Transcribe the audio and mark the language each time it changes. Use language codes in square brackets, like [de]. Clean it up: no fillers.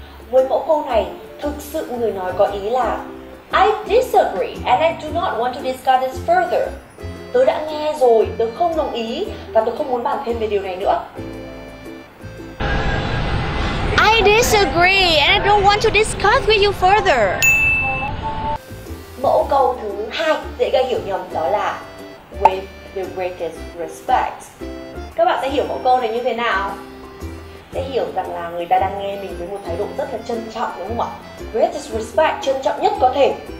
[vi] Với mẫu câu này, thực sự người nói có ý là [en] I disagree and I do not want to discuss this further. [vi] Tớ đã nghe rồi, tớ không đồng ý và tớ không muốn bàn thêm về điều này nữa. [en] I disagree and I don't want to discuss with you further. [vi] Mẫu câu thứ hai dễ gây hiểu nhầm đó là [en] With the greatest respect. [vi] Các bạn sẽ hiểu mẫu câu này như thế nào? Sẽ hiểu rằng là người ta đang nghe mình với một thái độ rất là trân trọng, đúng không ạ? [en] Greatest respect, [vi] trân trọng nhất có thể.